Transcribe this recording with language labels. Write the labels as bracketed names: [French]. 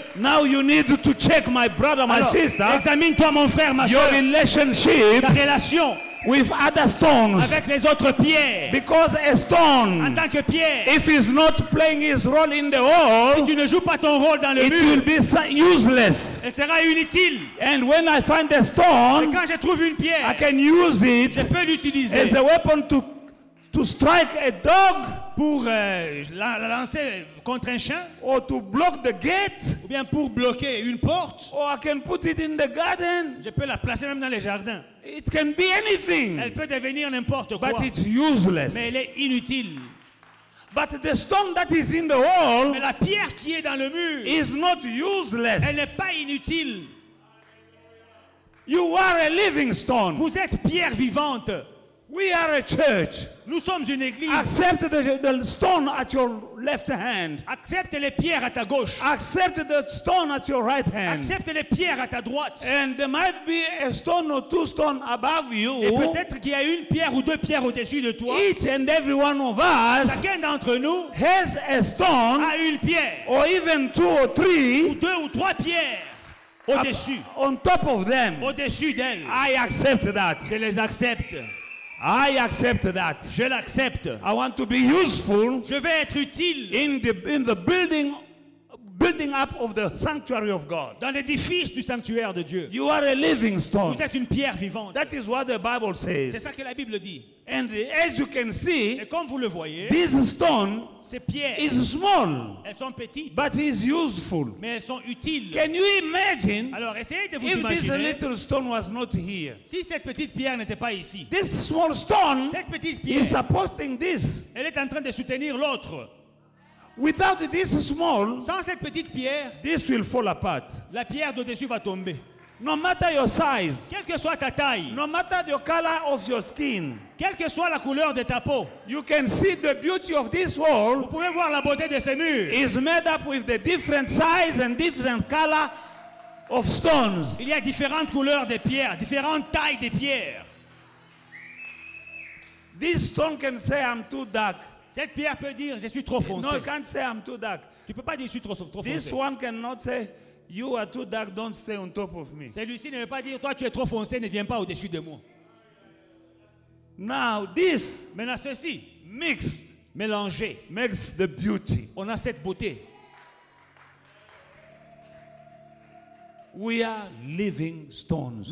[English] Now you need to check my brother, my [French] alors, [English] sister. [French] Examine-toi mon frère, ma [English] your [French] soeur. [English] Your relationship. [French] Ta relation. [English] With other stones. [French] Avec les autres pierres. [English] Because a stone, [French] en tant que pierre, [English] if he's not playing his role in the hall, [French] si tu ne joues pas ton rôle dans le [English] it [French] mur, [English] will be useless. [French] Elle sera inutile. [English] And when I find a stone, [French] et quand je trouve une pierre, [English] I can use it, [French] je peux l'utiliser, [English] as a weapon to strike a dog, [French] pour la lancer contre un chien, [English] or to block the gate, [French] ou bien pour bloquer une porte, [English] or I can put it in the garden. [French] Je peux la placer même dans les jardins. [English] It can be anything. [French] Elle peut devenir n'importe quoi. [English] But it's useless. [French] Mais elle est inutile. [English] But the stone that is in the wall, [French] mais la pierre qui est dans le mur, [English] is not useless. [French] Elle n'est pas inutile. [English] You are a living stone. [French] Vous êtes pierre vivante. [English] We are a church. [French] Nous sommes une église. [English] Accept the stone at your left hand. [French] Accepte les pierres à ta gauche. [English] Accept the stone at your right hand. [French] Accepte les pierres à ta droite. [English] And there might be a stone or two stones above you. [French] Et peut-être qu'il y a une pierre ou deux pierres au-dessus de toi. [English] Each and every one of us, [French] chacun d'entre nous, [English] has a stone, [French] a une pierre, [English] or even two or three, [French] ou deux ou trois pierres. Au-dessus. [English] On top of them. [French] Au-dessus d'elles. [English] I accept that. [French] Je les accepte. [English] I accept that. [French] Je l'accepte. [English] I want to be useful. [French] Je veux être utile. [English] In the building up of the sanctuary of God. [French] Dans l'édifice du sanctuaire de Dieu. [English] You are a living stone. [French] Vous êtes une pierre vivante. [English] That is what the Bible says. [French] C'est ça que la Bible dit. [English] And as you can see, [French] et comme vous le voyez, [English] this stone, [French] ces pierres, [English] is small. [French] Elles sont petites. [English] But is useful. [French] Mais elles sont utiles. [English] Can you imagine? [French] Alors essayez de vous [English] if [French] imaginer. [English] If this little stone was not here, [French] si cette petite pierre n'était pas ici, [English] this small stone, [French] cette petite pierre, [English] is supporting this. [French] Elle est en train de soutenir l'autre. [English] Without this small, [French] sans cette petite pierre, [English] this will fall apart. [French] La pierre d'au-dessus va tomber. [English] No matter your size, [French] quelle que soit ta taille, [English] no matter the color of your skin, [French] quelle que soit la couleur de ta peau, [English] you can see the beauty of this wall. [French] Vous pouvez voir la beauté de ces murs. [English] Is made up with the different size and different color of stones. [French] Il y a différentes couleurs de pierres, différentes tailles de pierres. [English] This stone can say, I'm too dark. [French] Cette pierre peut dire, je suis trop foncé. [English] No, you can't say I'm too dark. [French] Tu peux pas dire, je suis trop foncé. [English] This one cannot say, you are too dark, don't stay on top of me. [French] Celui-ci ne veut pas dire, toi tu es trop foncé, ne viens pas au-dessus de moi. [English] Now this, [French] maintenant ceci, [English] mixed, [French] mélangé. [English] Makes the beauty. [French] On a cette beauté. [English] We are living stones.